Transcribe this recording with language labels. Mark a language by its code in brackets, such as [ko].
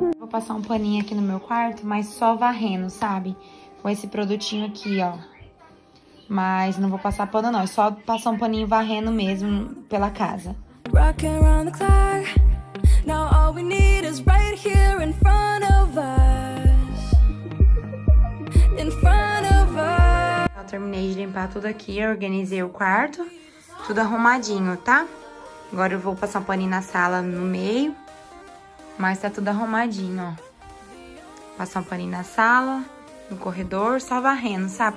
[pt] Passar um paninho aqui no meu quarto, mas só varrendo, sabe? Com esse produtinho aqui, ó. Mas não vou passar pano, não. É só passar um paninho varrendo mesmo pela casa. [en] Rockin' round the clock. Now all we need is right here in front of us. In front of us. [pt] Eu terminei de limpar tudo aqui, organizei o quarto. Tudo arrumadinho, tá? Agora eu vou passar um paninho na sala no meio. Mas tá tudo arrumadinho, ó. Passar um paninho na sala, no corredor, só varrendo, sabe?